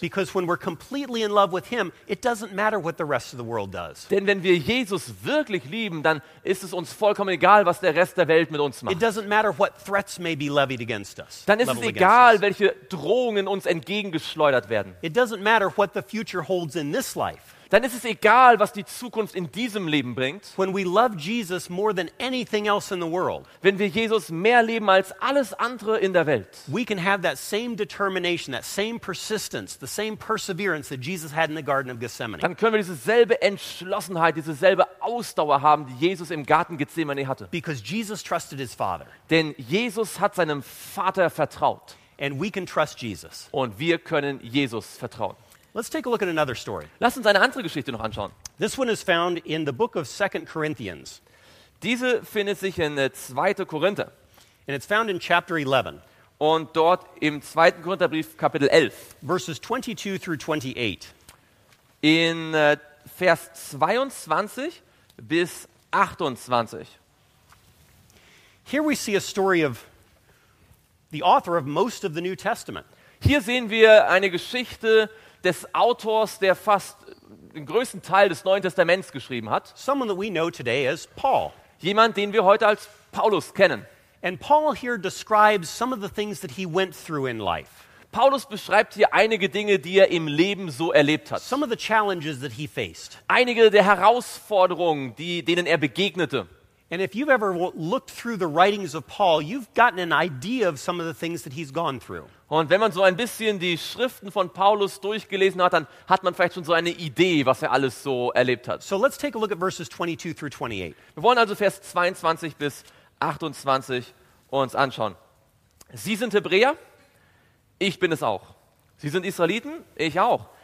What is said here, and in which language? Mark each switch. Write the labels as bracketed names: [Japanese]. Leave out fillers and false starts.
[English] Because when we're completely in love with him, it doesn't matter what the rest of the world does. [German] Denn wenn wir Jesus wirklich lieben, dann ist es uns vollkommen egal, was der Rest der Welt mit uns macht. [English] It doesn't matter what threats may be levied against us. [German] Dann ist es egal, welche Drohungen uns entgegengeschleudert werden. [English] It doesn't matter what the future holds in this life. [German] Dann ist es egal, was die Zukunft in diesem Leben bringt. [English] When we love Jesus more than anything else in the world. [German] Wenn wir Jesus mehr lieben als alles andere in der Welt. [English] We can have that same determination, that same persistence, the same perseverance that Jesus had in the Garden of Gethsemane. [German] Dann können wir diese selbe Entschlossenheit, diese selbe Ausdauer haben, die Jesus im Garten Gethsemane hatte. [English] Because Jesus trusted his Father. [German] Denn Jesus hat seinem Vater vertraut. [English] And we can trust Jesus. [German] Und wir können Jesus vertrauen. [English] Let's take a look at another story. [German] Lass uns eine andere Geschichte noch anschauen. [English] This one is found in the book of 2 Corinthians. [German] Diese findet sich in 2. Korinther. [English] And it's found in chapter 11. [German] Und dort im 2. Korintherbrief Kapitel 11. [English] Verses 22 through 28. [German] In Vers 22 bis 28. [English] Here we see a story of the author of most of the New Testament. [German] Hier sehen wir eine Geschichte des Autors, der fast den größten Teil des Neuen Testaments geschrieben hat. [English] Someone that we know today as Paul. [German] Jemand, den wir heute als Paulus kennen. [English] And Paul here describes some of the things that he went through in life. [German] Paulus beschreibt hier einige Dinge, die er im Leben so erlebt hat. [English] Some of the challenges that he faced. [German] Einige der Herausforderungen, denen er begegnete. [English] And if you've ever looked through the writings of Paul, you've gotten an idea of some of the things that he's gone through. [German] Und wenn man so ein bisschen die Schriften von Paulus durchgelesen hat, dann hat man vielleicht schon so eine Idee, was er alles so erlebt hat. [English] So let's take a look at verses 22 through 28. [German] Wir wollen also Vers 22 bis 28 uns anschauen. Sie sind Hebräer, ich bin es auch. Sie sind Israeliten, ich auch.